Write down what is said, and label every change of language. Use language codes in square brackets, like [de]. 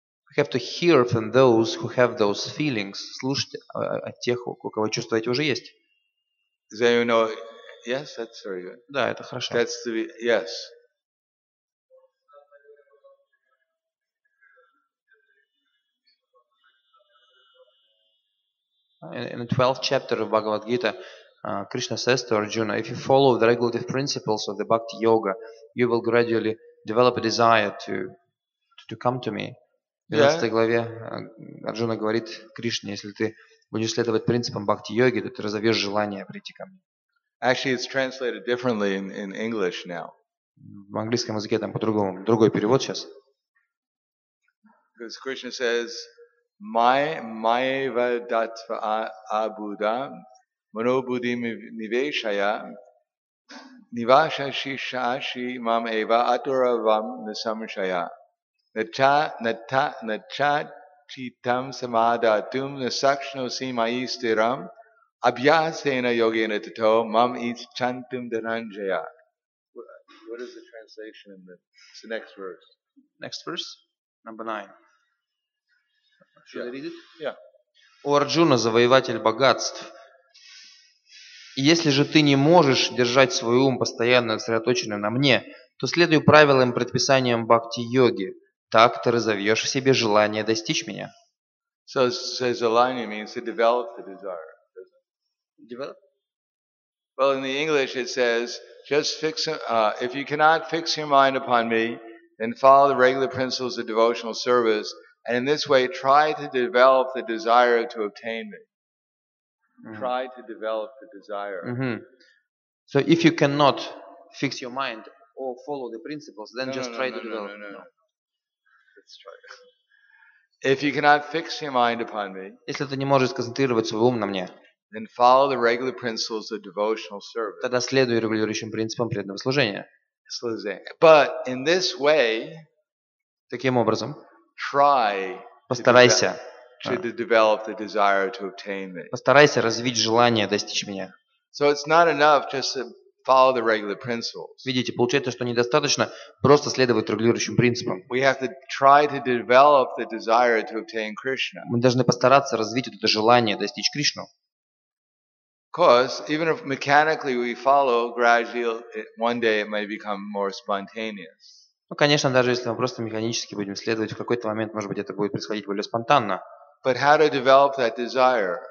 [en] We have to hear from those who have those feelings. [ru] Слушайте от тех, у кого чувства эти уже есть. [en] Then you know, yes, that's very good. [ru] Да, это хорошо. [en] That's the yes. In the 12th chapter of Bhagavad Gita, Krishna says to Arjuna, if you follow the regulative principles of the Bhakti Yoga, you will gradually develop a desire to come to me. [ru] В 12 главе Арджуна говорит Кришне, если ты будешь следовать принципам Бхакти Йоги, то ты разовьешь желание прийти ко мне. [en] Actually, it's translated differently in English now. [ru] В английском языке там по-другому, другой перевод сейчас. [en] Because Krishna says, [sa] Майва датва абуда манобудим нивешая нивашаши шаши мам эва атуравам насамшая нача читам самада тум насакшно симаи стирам абьясена йогена тато мам ис чантум дананжая. [en] What is the translation in it's the next verse. Next verse, number 9. Yeah. [ru] У Арджуна завоеватель богатств. Если же ты не можешь держать свой ум постоянно сосредоточенным на мне, то следуй правилам и предписаниям бхакти-йоги. Так ты разовьешь в себе желание достичь меня. [en] So, so желание means to develop the desire, doesn't it? Develop? Well, in the English it says, just fix, if you cannot fix your mind upon me, then follow the regular principles of devotional service. And in this way, try to develop the desire to obtain it. Mm-hmm. Try to develop the desire. Mm-hmm. So if you cannot fix your mind or follow the principles, then develop. No. Let's try. If you cannot fix your mind upon me, [ru] если ты не можешь сконцентрировать свой ум на мне, [en] then follow the regular principles of devotional service. [ru] Тогда следуй регулирующим принципам преданного служения. [en] But in this way, [ru] таким образом, [en] try [ru] постарайся, [en] develop the desire to obtain it. [ru] Постарайся развить желание достичь меня. [en] So it's not enough just to follow the regular principles. [ru] Видите, получается, что недостаточно просто следовать регулирующим принципам. [en] We have to try to develop the desire to obtain Krishna. [ru] Мы должны постараться развить это желание достичь Кришну. [en] Because even if mechanically we follow, gradually one day it may become more spontaneous. [ru] Ну, конечно, даже если мы просто механически будем следовать, в какой-то момент, может быть, это будет происходить более спонтанно. [en] But how to develop that desire?